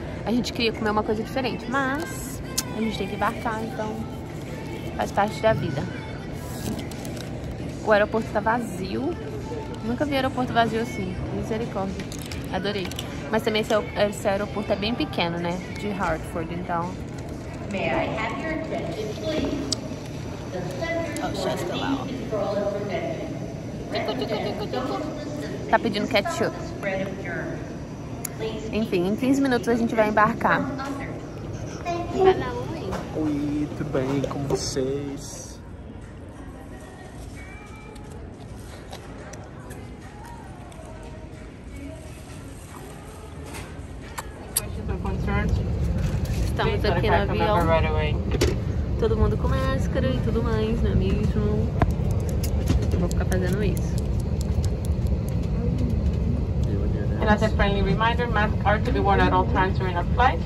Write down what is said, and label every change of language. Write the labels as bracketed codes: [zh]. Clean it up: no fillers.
[pt] A gente queria comer uma coisa diferente, mas a gente tem que embarcar, então faz parte da vida. O aeroporto está vazio. Nunca vi aeroporto vazio assim, misericórdia. Adorei. Mas também esse aeroporto é bem pequeno, né? De Hartford, então... [en] May I have your attention, please? [pt] Tá pedindo ketchup. Enfim, em 15 minutos a gente vai embarcar. Oi, tudo bem com vocês? Estamos aqui no avião. Todo mundo com máscara e tudo mais, não é mesmo? Eu vou ficar fazendo isso. [en] And as a friendly reminder, masks are to be worn at all times during a flight.